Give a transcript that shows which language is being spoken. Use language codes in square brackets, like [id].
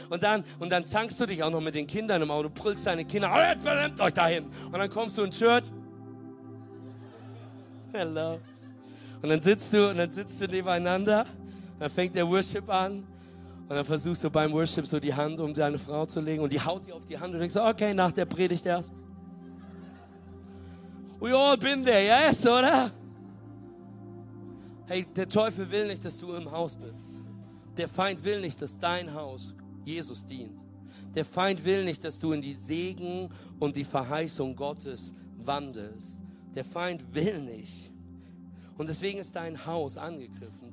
[de] Und dann zankst du dich auch noch mit den Kindern im Auto, brüllst deine Kinder, jetzt benimmt euch dahin. Und dann kommst du in Church. Hello. Und dann sitzt du nebeneinander, dann fängt der Worship an und dann versuchst du beim Worship so die Hand um deine Frau zu legen und die haut dir auf die Hand und denkst, okay, nach der Predigt erst. [en] We all been there, yes, [de] oder? Hey, der Teufel will nicht, dass du im Haus bist. Der Feind will nicht, dass dein Haus Jesus dient. Der Feind will nicht, dass du in die Segen und die Verheißung Gottes wandelst. Der Feind will nicht. Und deswegen ist dein Haus angegriffen.